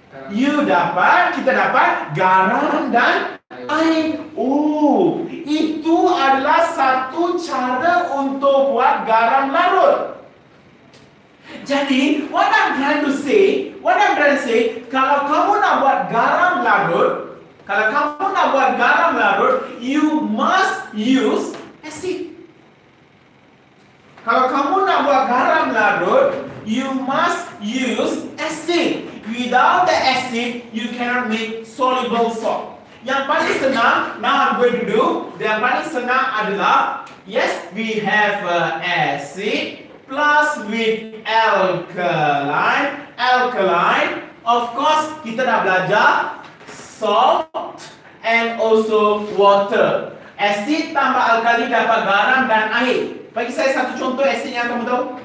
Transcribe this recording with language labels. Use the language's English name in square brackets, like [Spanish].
[Malay] You dapat, kita dapat garam dan air. Oh, itu adalah satu cara untuk buat garam larut. Jadi, [English] what I'm trying to say, [Malay] kalau kamu nak buat garam larut, [English] you must use acid. [Malay] Kalau kamu nak buat garam larut, [English] you must use acid. Without the acid, you cannot make soluble salt. [Malay] Yang paling senang, [English] now I'm going to do, [Malay] yang paling senang adalah, [English] yes, we have acid plus with alkaline. Alkaline, of course, [Malay] kita dah belajar [English] salt and also water. [Malay] Acid tambah alkali dapat garam dan air. Bagi saya satu contoh acid yang kamu tahu.